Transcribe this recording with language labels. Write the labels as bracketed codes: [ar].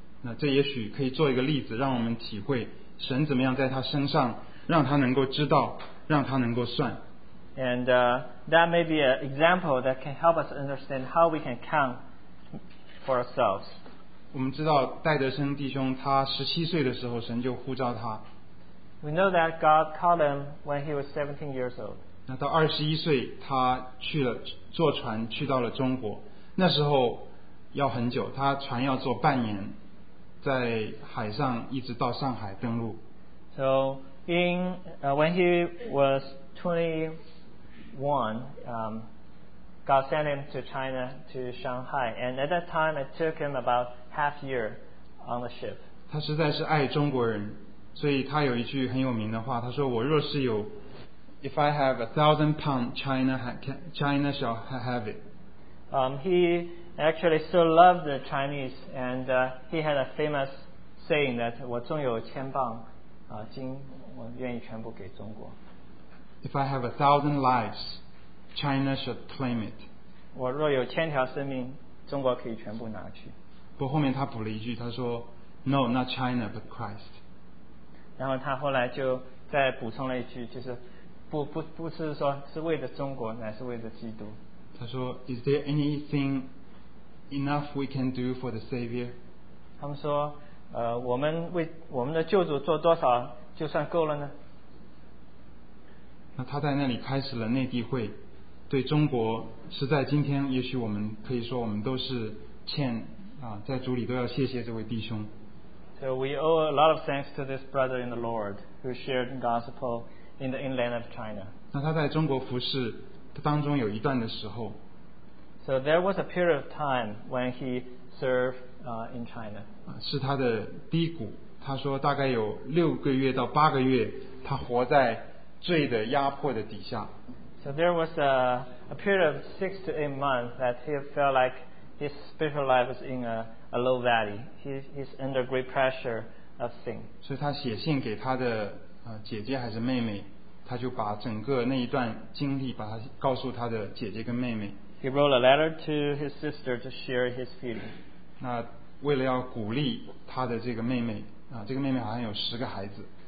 [zh] 那这也许可以做一个例子，让我们体会神怎么样在他身上，让他能够知道，让他能够算。 [en] And that may be an example that can help us understand how we can count for ourselves. [zh] 我们知道戴德森弟兄他17岁的时候神就呼召他。 [en] We know that God called him when he was 17 years old. [zh] 那到21岁他去了坐船去到了中国，那时候要很久，他船要坐半年，在海上一直到上海登陆。 [en] So in when he was 21, God sent him to China, to Shanghai. And at that time, it took him about half year on the ship. [zh] 他实在是爱中国人，所以他有一句很有名的话，他说，我若是有 [en] If I have £1,000, China shall have it. He actually so loved the Chinese, and he had a famous saying that [zh] 我纵有千磅金，我愿意全部给中国。 [en] If I have 1,000 lives, China should claim it. [zh] 我若有千条生命，中国可以全部拿去。不过后面他补了一句，他说 [en] No, not China, but Christ. [zh] 然后他后来就再补充了一句，就是不是说是为了中国，乃是为了基督。他说 [en] Is there anything enough we can do for the Savior? [zh] 他们说我们为我们的救主做多少就算够了呢？那他在那里开始了内地会，对中国实在今天也许我们可以说我们都是欠在主里都要谢谢这位弟兄。 [en] So we owe a lot of thanks to this brother in the Lord who shared gospel in the inland of China. [zh] 那他在中国服事当中有一段的时候， [en] So there was a period of time when he served in China. [zh] 是他的低谷，他说大概有6个月到8个月他活在罪的压迫的底下。 [en] So there was a period of 6 to 8 months that he felt like his spiritual life was in a low valley. He's under great pressure of sin. [zh] 所以他写信给他的姐姐还是妹妹，他就把整个那一段经历把他告诉他的姐姐跟妹妹。 [en] He wrote a letter to his sister to share his feeling. [zh] 那为了要鼓励他的这个妹妹这个妹妹好像有10个孩子。